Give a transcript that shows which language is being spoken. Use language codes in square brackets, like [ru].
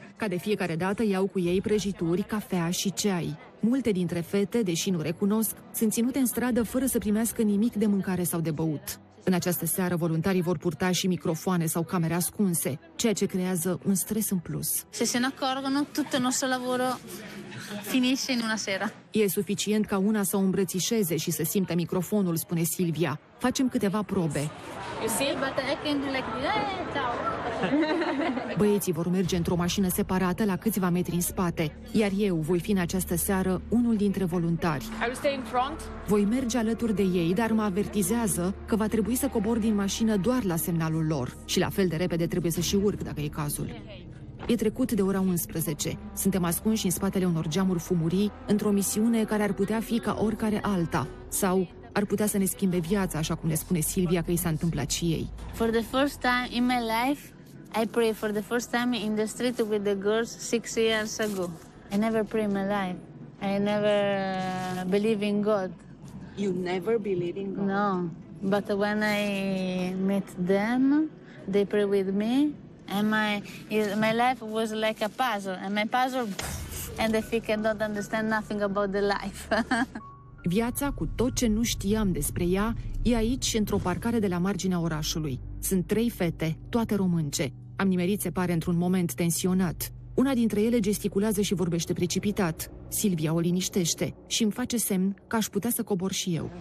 [ro] Ca de fiecare dată iau cu ei prăjituri, cafea și ceai. Multe dintre fete, deși nu recunosc, sunt ținute în stradă fără să primească nimic de mâncare sau de băut. În această seară, voluntarii vor purta și microfoane sau camere ascunse, ceea ce creează un stres în plus. [it] Se se ne accorgono, tutto il nostro lavoro finisce in una sera. [ro] E suficient ca una să o îmbrățișeze și să simtă microfonul, spune Silvia. Facem câteva probe. [en] You see, but I can do like this. [ro] Băieții vor merge într-o mașină separată la câțiva metri în spate, iar eu voi fi în această seară unul dintre voluntari. Voi merge alături de ei, dar mă avertizează că va trebui să cobor din mașină doar la semnalul lor și la fel de repede trebuie să și urc dacă e cazul. E trecut de ora 11. Suntem ascunși în spatele unor geamuri fumurii, într-o misiune care ar putea fi ca oricare alta. Sau ar putea să ne schimbe viața, așa cum ne spune Silvia că i s-a întâmplat și ei. [en] For the first time in my life, I pray for the first time in the street with the girls 6 years ago. I never pray in my life. I never believe in God. You never believe in God? No. But when I met them, they pray with me. And my life was like a puzzle. And my puzzle, and I can't don't understand nothing about the life. [ro] Viața, cu tot ce nu știam despre ea, e aici, într-o parcare de la marginea orașului. Sunt 3 fete, toate românce. Am nimerit, se pare, într-un moment tensionat. Una dintre ele gesticulează și vorbește precipitat. Silvia o liniștește și îmi face semn că aș putea să cobor și eu.